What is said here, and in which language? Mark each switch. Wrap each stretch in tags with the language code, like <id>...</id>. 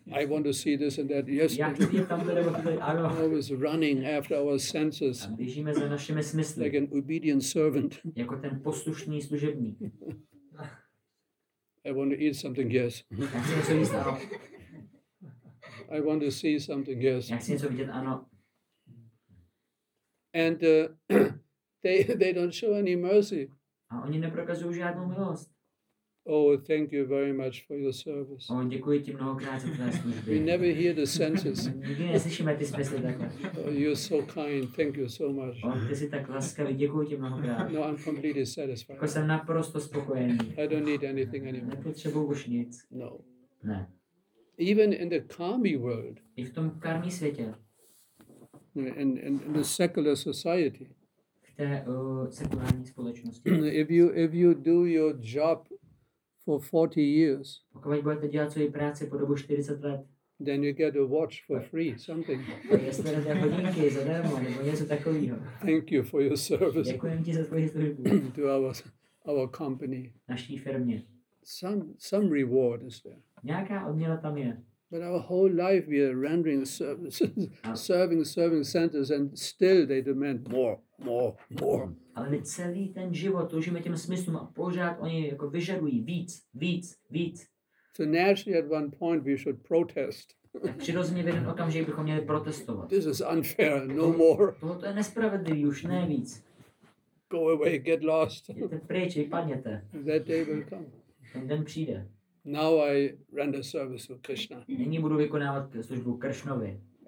<en>I want to see this and that, yes.</en> <cs>Já chci tam tady, ano.</cs> <en>I was running after our senses.</en> <cs>A běžíme za našimi smysly.</cs> <en>Like an obedient servant.</en> <cs>Jako ten poslušný služebník.</cs> <en>I want to eat something, yes.</en> <cs>Já chci něco jíst, ano.</cs> <en>I want to see something, yes.</en> <cs>Já chci něco vidět, ano.</cs> <en>And they don't show any mercy.</en> <cs>A oni neprokazují žádnou milost.</cs> <en>Oh, thank you very much for your service.</en> <cs>Oh, děkuji ti mnohokrát za tvé služby.</cs> <en>We never hear the senses.</en> <cs>Nikdy neslyšíme ty smysly takhle.</cs> <en>Oh, you're so kind. Thank you so much.</en> <cs>Oh, ty jsi tak laskavý. Děkuji ti mnohokrát.</cs> <en>No, I'm completely satisfied.</en> <cs>Jako jsem naprosto spokojený.</cs> <en>I don't need anything anymore.</en> <cs>Nepotřebuji už nic.</cs> <en>No.</en> <cs>Ne.</cs> <en>Even in the karmi world.</en> <cs>I v tom karmi světě.</cs> <en>In the secular society.</en> <cs>Sekulární společnosti.</cs> <en>If you do your job for 40 years,</en> <cs>pokud budete dělat svoji práci po dobu 40 let,</cs> <en>then you get a watch for free, something.</en> <cs>Dostanete hodinky zadarmo, nebo něco takového.</cs> <en>Thank you for your service.</en> <cs>Děkujeme ti za tvoji službu.</cs> <en>To our company.</en> <cs>Naší firmě.</cs> <en>Some reward is there.</en> <cs>Nějaká odměna tam je.</cs> <en>But our whole life we are rendering services, serving centers, and still they demand more.</en> <cs>Ale my celý ten život toužíme těm smyslům a pořád oni jako vyžadují víc.</cs> <en>So naturally at one point we should protest.</en> <cs>Tak přirozeně v jeden okamžik bychom měli protestovat.</cs> <en>This is unfair, no more.</en> <cs>Tohle je nespravedlivý, už ne víc.</cs> <en>Go away, get lost.</en> <cs>Jděte pryč, vypadněte.</cs> <en>That day will come.</en> <cs>Ten den přijde.</cs> <en>Now I render service to Krishna.</en> <cs>Nyní budu vykonávat službu Krishnovi.</cs>